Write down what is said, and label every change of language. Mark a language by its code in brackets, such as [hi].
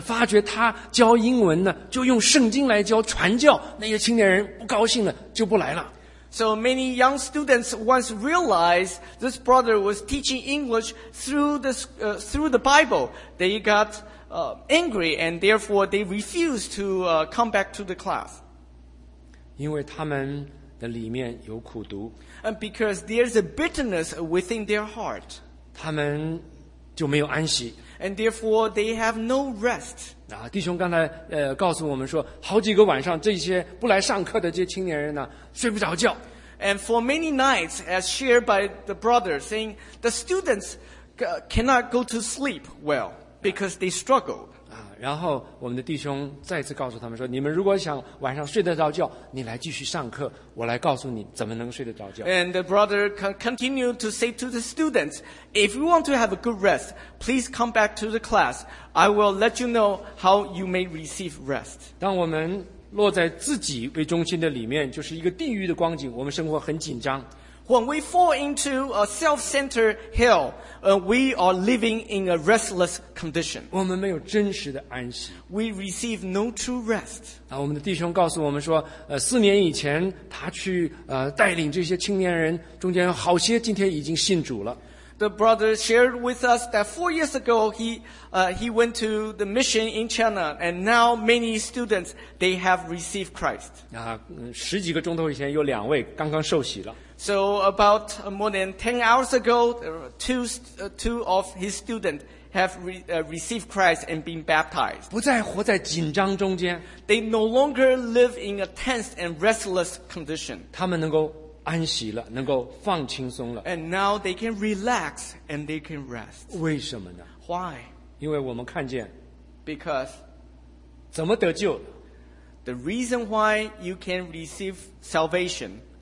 [zh] 发觉他教英文呢，就用圣经来教传教。那些青年人不高兴了，就不来了。 [en] So many young students once realized this brother was teaching English through the Bible. They got angry and therefore they refused to come back to the class. [zh] 因为他们的里面有苦毒。 [en] And because there's a bitterness within their heart. [zh] 他们就没有安息。 [en] And therefore they have no rest. [zh] 弟兄刚才告诉我们说，好几个晚上这些不来上课的这些青年人呢，睡不着觉。 [en] And for many nights, as shared by the brother, saying the students cannot go to sleep well because they struggled. [zh] 然后我们的弟兄再次告诉他们说，你们如果想晚上睡得着觉，你来继续上课，我来告诉你怎么能睡得着觉。 [en] And the brother continued to say to the students, if you want to have a good rest, please come back to the class. I will let you know how you may receive rest. [zh] 当我们落在自己为中心的里面，就是一个地狱的光景，我们生活很紧张。 [en] When we fall into a self-centered hell, we are living in a restless condition. [zh] 我们没有真实的安息。 [en] We receive no true rest. [zh] 我们的弟兄告诉我们说，四年以前他去带领这些青年人，中间好些今天已经信主了。 [en] The brother shared with us that 4 years ago he went to the mission in China and now many students they have received Christ. [zh] 十几个钟头以前有两位刚刚受洗了。 [en] So about more than 10 hours ago, two of his students have received Christ and been baptized. [zh] 不再活在紧张中间。 [en] They no longer live in a tense and restless condition. [zh] 他们能够安息了，能够放轻松了。 [en] And now they can relax and they can rest. [zh] 为什么呢？ [en] Why? [zh] 因为我们看见。 [en] Because. [zh] 怎么得救？ [en] The reason why you can receive salvation.